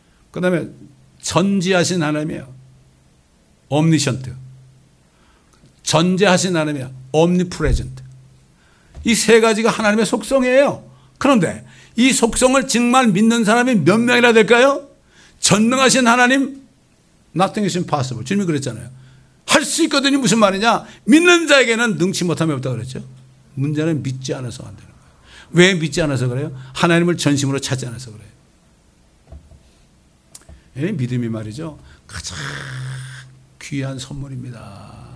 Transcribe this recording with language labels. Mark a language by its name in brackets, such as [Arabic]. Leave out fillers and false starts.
[Korean] 그 다음에 전지하신 하나님이에요. [English] Omniscient. [Korean] 전제하신 하나님이야. Omnipresent. 이 세 가지가 하나님의 속성이에요. 그런데 이 속성을 정말 믿는 사람이 몇 명이나 될까요? 전능하신 하나님, [English] nothing is impossible. [Korean] 주님이 그랬잖아요. 할 수 있거든요. 무슨 말이냐? 믿는 자에게는 능치 못함이 없다고 그랬죠. 문제는 믿지 않아서 안 되는 거예요. 왜 믿지 않아서 그래요? 하나님을 전심으로 찾지 않아서 그래요. 예, 믿음이 말이죠. 가장 귀한 선물입니다.